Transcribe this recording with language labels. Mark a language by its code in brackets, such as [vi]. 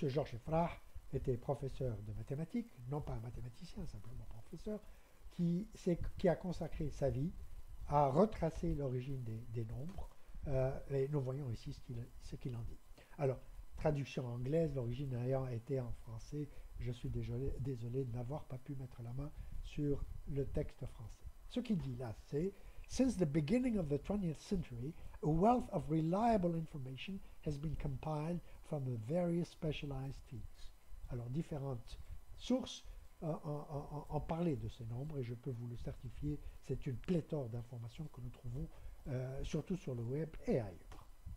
[fr] Georges Euphra était professeur de mathématiques, non pas un mathématicien, simplement professeur, qui a consacré sa vie à retracer l'origine des nombres. Et nous voyons ici ce qu'il en dit. Alors, traduction anglaise, l'origine ayant été en français, je suis désolé de n'avoir pas pu mettre la main sur le texte français. Ce qu'il dit là, c'est: [en] Since the beginning of the 20th century, a wealth of reliable information has been compiled from various specialized fields. [fr] Alors, différentes sources en parlaient de ces nombres et je peux vous le certifier, c'est une pléthore d'informations que nous trouvons surtout sur le web et ailleurs.